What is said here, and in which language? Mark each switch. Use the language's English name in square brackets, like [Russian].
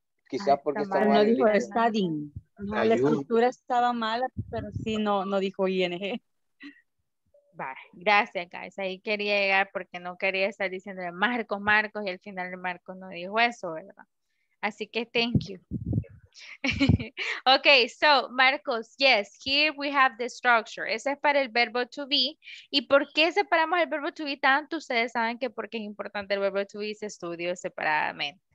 [Spanish] Quizás ay, porque está mal no el no dijo studying. No, la estructura estaba mala, pero sí no dijo ING. Gracias, guys. Ahí quería llegar porque no quería estar diciendo Marcos, y al final Marcos no dijo eso, ¿verdad? Así que [English] thank you. Okay, so Marcos, yes, here we have the structure. [Spanish] Ese es para el verbo to be. ¿Y por qué separamos el verbo to be tanto? Ustedes saben que porque es importante el verbo to be se estudia separadamente.